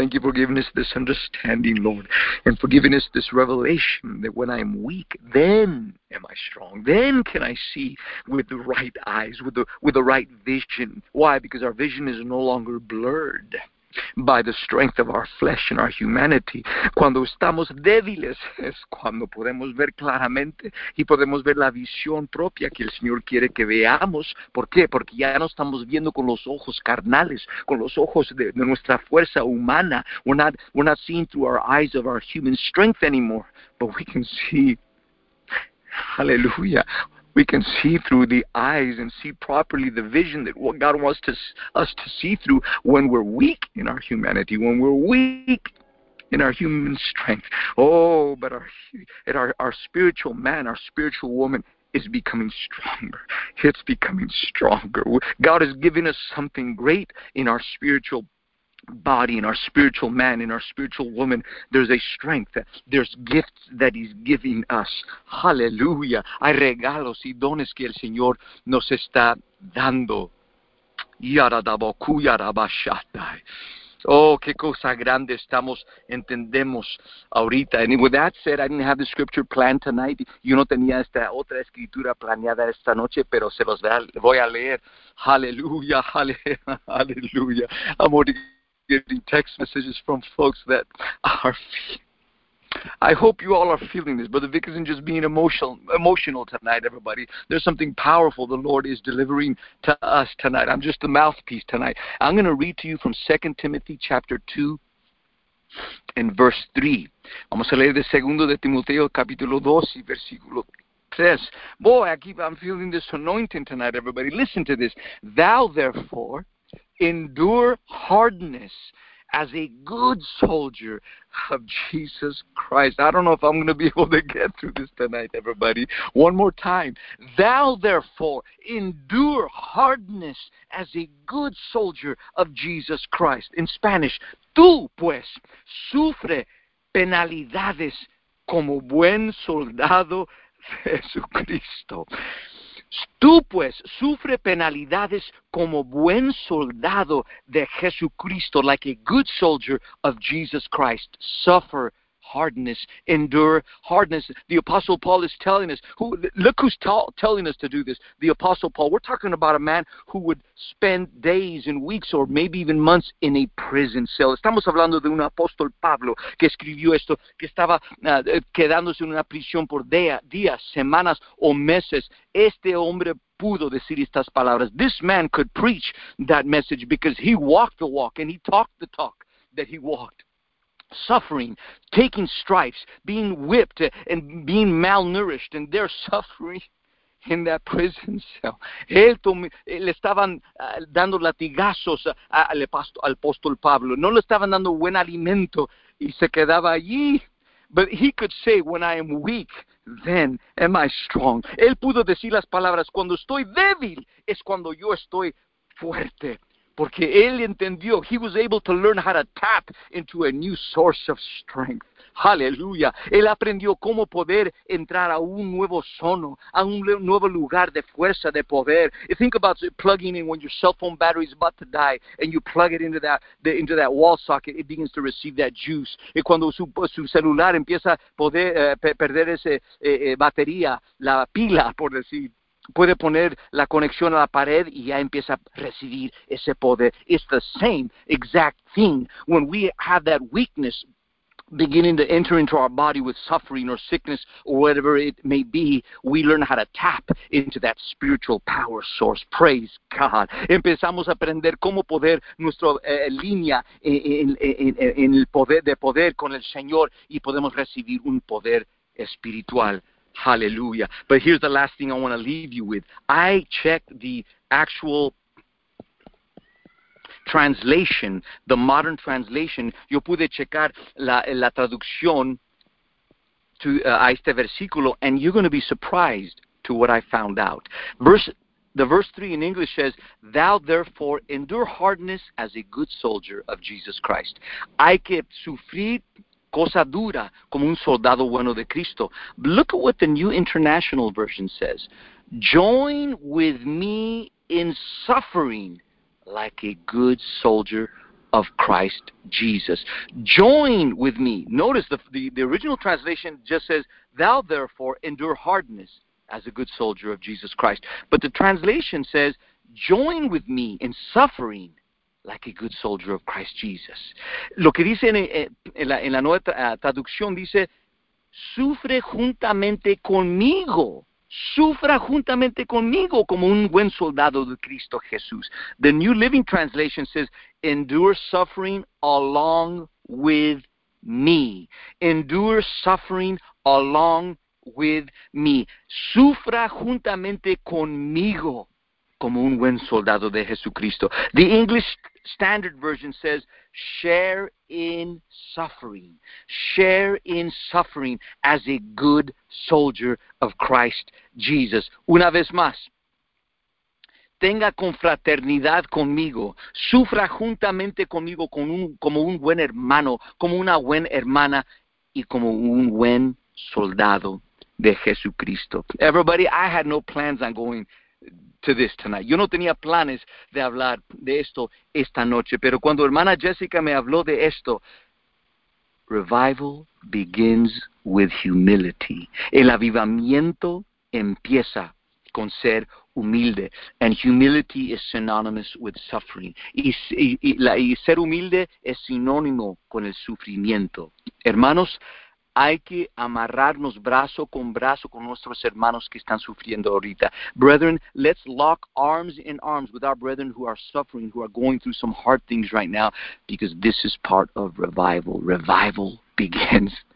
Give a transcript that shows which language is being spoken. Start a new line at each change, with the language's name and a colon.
English: Thank you for giving us this understanding, Lord, and for giving us this revelation that when I'm weak, then am I strong. Then can I see with the right eyes, with the right vision. Why? Because our vision is no longer blurred by the strength of our flesh and our humanity.
Spanish: Cuando estamos débiles es cuando podemos ver claramente y podemos ver la visión propia que el Señor quiere que veamos. ¿Por qué? Porque ya no estamos viendo con los ojos carnales, con los ojos de nuestra fuerza humana.
English: We're not seeing through our eyes of our human strength anymore, but we can see Hallelujah. We can see through the eyes and see properly the vision that what God wants us to see through when we're weak in our humanity, when we're weak in our human strength. Oh, but our spiritual man, our spiritual woman is becoming stronger. It's becoming stronger. God has given us something great in our spiritual body, in our spiritual man, in our spiritual woman. There's a strength. There's gifts that He's giving us. Hallelujah.
Spanish: Hay regalos y dones que el Señor nos está dando. Yaradaboku yarabashatai. Oh, qué cosa grande estamos, entendemos ahorita.
English: And with that said, I didn't have the scripture planned tonight.
Spanish: Yo no tenía esta otra escritura planeada esta noche, pero se los voy a leer. Hallelujah, hallelujah.
English: I'm already getting text messages from folks that are I hope you all are feeling this. Brother Vic isn't just being emotional tonight, everybody. There's something powerful the Lord is delivering to us tonight. I'm just the mouthpiece tonight. I'm going to read to you from 2 Timothy chapter 2 and verse 3.
Spanish: Vamos a leer de 2 de Timoteo capítulo 2 y versículo 3.
English: Boy, I'm feeling this anointing tonight, everybody. Listen to this. Thou, therefore, endure hardness as a good soldier of Jesus Christ. I don't know if I'm going to be able to get through this tonight, everybody. One more time. Thou, therefore, endure hardness as a good soldier of Jesus Christ. In Spanish,
Spanish: tú, pues, sufre penalidades como buen soldado de Jesucristo. Tú, pues, sufre penalidades como buen soldado de Jesucristo,
English: like a good soldier of Jesus Christ. Suffer hardness, endure hardness. The Apostle Paul is telling us, telling us to do this, the Apostle Paul. We're talking about a man who would spend days and weeks or maybe even months in a prison cell.
Spanish: Estamos hablando de un apóstol Pablo que escribió esto, que estaba quedándose en una prisión por días, semanas o meses. Este hombre pudo decir estas palabras.
English: This man could preach that message because he walked the walk and he talked the talk that he walked. Suffering, taking stripes, being whipped and being malnourished, and they're suffering in that prison cell.
Spanish: Le estaban dando latigazos al apóstol Pablo. No le estaban dando buen alimento y se quedaba allí.
English: But he could say, when I am weak, then am I strong.
Spanish: Él pudo decir las palabras, cuando estoy débil es cuando yo estoy fuerte. Porque él entendió,
English: he was able to learn how to tap into a new source of strength. Hallelujah.
Spanish: Él aprendió cómo poder entrar a un nuevo zono, a un nuevo lugar de fuerza, de poder.
English: Think about plugging in when your cell phone battery is about to die and you plug it into that wall socket, it begins to receive that juice.
Spanish: Y cuando su celular empieza a perder esa batería, la pila, por decir, puede poner la conexión a la pared y ya empieza a recibir ese poder.
English: It's the same exact thing. When we have that weakness beginning to enter into our body with suffering or sickness or whatever it may be, we learn how to tap into that spiritual power source. Praise God.
Spanish: Empezamos a aprender cómo poder nuestra línea en el poder de poder con el Señor y podemos recibir un poder espiritual.
English: Hallelujah. But here's the last thing I want to leave you with. I checked the actual translation, the modern translation.
Spanish: Yo pude checar la traducción to a este versículo,
English: and you're going to be surprised to what I found out. The verse 3 in English says, thou therefore endure hardness as a good soldier of Jesus Christ.
Spanish: Hay que sufrir cosa dura, como un soldado bueno de Cristo.
English: Look at what the New International Version says. Join with me in suffering like a good soldier of Christ Jesus. Join with me. Notice the original translation just says, thou therefore endure hardness as a good soldier of Jesus Christ. But the translation says, join with me in suffering like a good soldier of Christ Jesus.
Spanish: Lo que dice en la nueva traducción dice, sufre juntamente conmigo. Sufra juntamente conmigo como un buen soldado de Cristo Jesús.
English: The New Living Translation says, endure suffering along with me. Endure suffering along with me.
Spanish: Sufra juntamente conmigo como un buen soldado de Jesucristo.
English: The English Standard Version says, share in suffering. Share in suffering as a good soldier of Christ Jesus.
Spanish: Una vez más. Tenga confraternidad conmigo, sufra juntamente conmigo como un buen hermano, como una buena hermana y como un buen soldado de Jesucristo.
English: Everybody, I had no plans on going to this tonight.
Spanish: Yo no tenía planes de hablar de esto esta noche, pero cuando hermana Jessica me habló de esto,
English: revival begins with humility.
Spanish: El avivamiento empieza con ser humilde,
English: and humility is synonymous with suffering.
Spanish: Y ser humilde es sinónimo con el sufrimiento. Hermanos, hay que amarrarnos brazo con nuestros hermanos que están sufriendo ahorita.
English: Brethren, let's lock arms in arms with our brethren who are suffering, who are going through some hard things right now, because this is part of revival. Revival begins.